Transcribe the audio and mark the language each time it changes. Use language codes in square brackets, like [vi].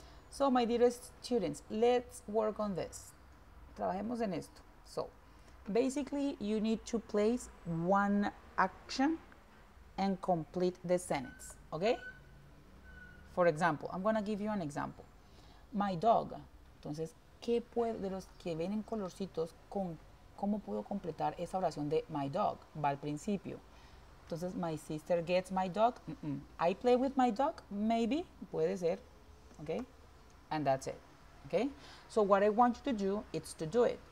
[en] So, my dearest students, let's work on this. [es] Trabajemos en esto. [en] So, basically, you need to place one action and complete the sentence, okay? For example, I'm going to give you an example. My dog. [es] Entonces, ¿qué puedo, de los que ven en colorcitos, con, cómo puedo completar esa oración de my dog? Va al principio. Entonces, [en] my sister gets my dog. I play with my dog, maybe, [es] puede ser, [en] okay? And that's it, okay? So, what I want you to do, it's to do it.